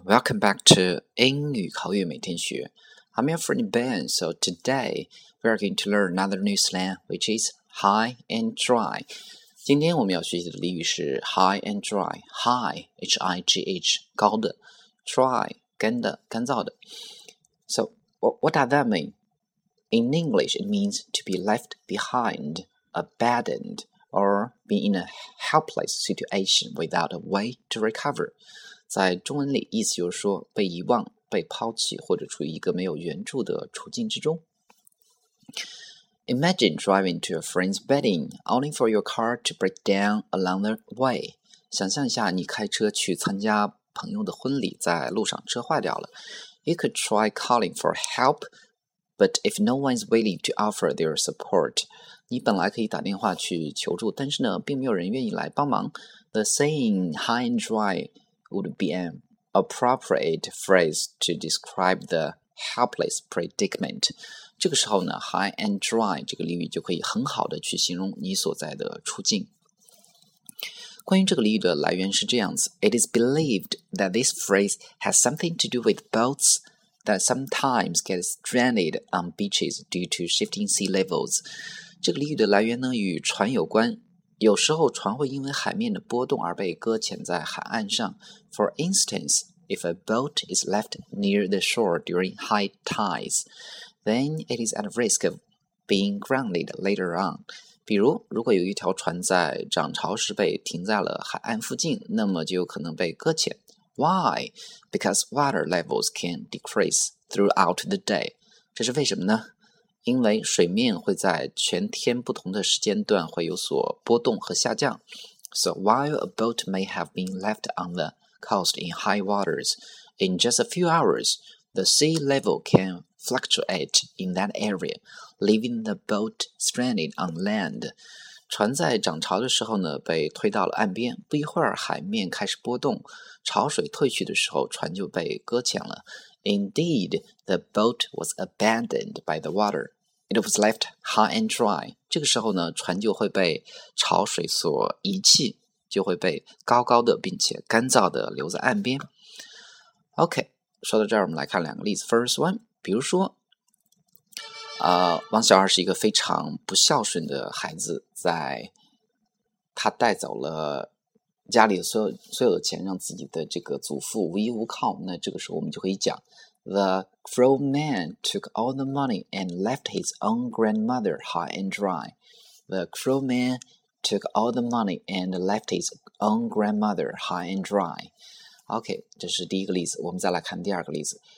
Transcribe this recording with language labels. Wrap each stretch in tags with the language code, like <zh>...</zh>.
<en>Welcome back to 英语口语每天学。 I'm your friend Ben. So today, we are going to learn another new slang, which is high and dry.</en> <zh>今天我们要学习的俚语是 high and dry. High, H-I-G-H, 高的。</zh> <en>Dry,</en> <zh>干的、干燥的。</zh> <en>So, what does that mean? In English, it means to be left behind, abandoned. Or be in a helpless situation without a way to recover.</en> <zh>在中文里意思就是说被遗忘、被抛弃或者处于一个没有援助的处境之中。</zh> <en>Imagine driving to a friend's wedding, only for your car to break down along the way.</en> <zh>想象一下你开车去参加朋友的婚礼在路上车坏掉了。</zh> <en>You could try calling for help, but if no one's willing to offer their support,</en> <zh>你本来可以打电话去求助，但是呢，并没有人愿意来帮忙。</zh> <en>The saying high and dry would be an appropriate phrase to describe the helpless predicament.</en> <zh>这个时候呢 ,high and dry 这个俚语就可以很好的去形容你所在的处境。关于这个俚语的来源是这样子。</zh> <en>It is believed that this phrase has something to do with boats that sometimes get stranded on beaches due to shifting sea levels.</en> <zh>这个俚语的来源呢与船有关，有时候船会因为海面的波动而被搁浅在海岸上。</zh> <en>For instance, if a boat is left near the shore during high tides, then it is at risk of being grounded later on.</en> <zh>比如，如果有一条船在涨潮时被停在了海岸附近，那么就有可能被搁浅。</zh> <en>Why? Because water levels can decrease throughout the day.</en> <zh>这是为什么呢？因为水面会在全天不同的时间段会有所波动和下降。</zh> <en>So while a boat may have been left on the coast in high waters, in just a few hours, the sea level can fluctuate in that area, leaving the boat stranded on land.</en> <zh>船在涨潮的时候呢，被推到了岸边，不一会儿海面开始波动，潮水退去的时候，船就被搁浅了。</zh> <en>Indeed, the boat was abandoned by the water. It was left high and dry.</en> <zh>这个时候呢，船就会被潮水所遗弃，就会被高高的并且干燥的留在岸边。 OK, 说到这儿我们来看两个例子。</zh> <en>First one,</en> <zh>比如说王小二是一个非常不孝顺的孩子，在他带走了家里所有的钱，让自己的这个祖父无依无靠。那这个时候我们就可以讲</zh> <en>The grown man took all the money and left his own grandmother high and dry. The grown man took all the money and left his own grandmother high and dry.</en> <zh>OK, 这是第一个例子。我们再来看第二个例子。</zh>